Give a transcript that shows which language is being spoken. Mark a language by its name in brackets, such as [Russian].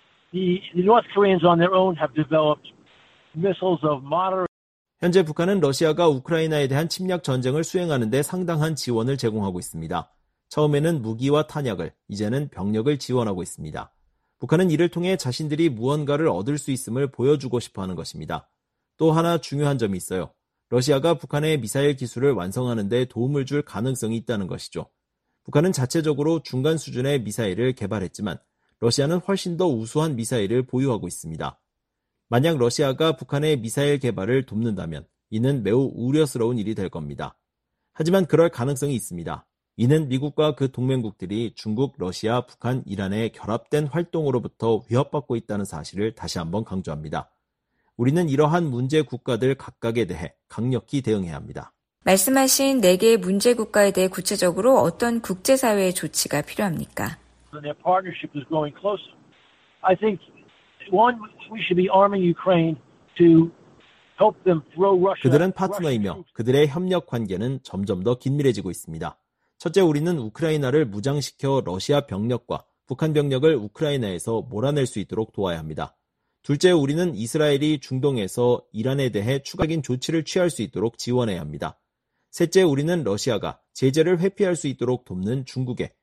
[English] The North Koreans on their own have developed missiles of moderate. [Korean] 현재 북한은 러시아가 우크라이나에 대한 침략 전쟁을 수행하는 데 상당한 지원을 제공하고 있습니다. 처음에는 무기와 탄약을, 이제는 병력을 지원하고 있습니다. 북한은 이를 통해 자신들이 무언가를 얻을 수 있음을 보여주고 싶어하는 것입니다. 또 하나 중요한 점이 있어요. 러시아가 북한의 미사일 기술을 완성하는 데 도움을 줄 가능성이 있다는 것이죠. 북한은 자체적으로 중간 수준의 미사일을 개발했지만 러시아는 훨씬 더 우수한 미사일을 보유하고 있습니다. 만약 러시아가 북한의 미사일 개발을 돕는다면 이는 매우 우려스러운 일이 될 겁니다. 하지만 그럴 가능성이 있습니다. 이는 미국과 그 동맹국들이 중국, 러시아, 북한, 이란의 결합된 활동으로부터 위협받고 있다는 사실을 다시 한번 강조합니다. 우리는 이러한 문제 국가들 각각에 대해 강력히 대응해야 합니다. 말씀하신 네 개의 문제 국가에 대해 구체적으로 어떤 국제사회의 조치가 필요합니까? [English] Their partnership is growing closer. I think one we should be arming Ukraine to help them throw Russia. [Korean] 그들은 파트너이며 그들의 협력 관계는 점점 더 긴밀해지고 있습니다. 첫째, 우리는 우크라이나를 무장시켜 러시아 병력과 북한 병력을 우크라이나에서 몰아낼 수 있도록 도와야 합니다. 둘째, 우리는 이스라엘이 중동에서 이란에 대해 추가적인 조치를 취할 수 있도록 지원해야 합니다. 셋째, 우리는 러시아가 제재를 회피할 수 있도록 돕는 중국에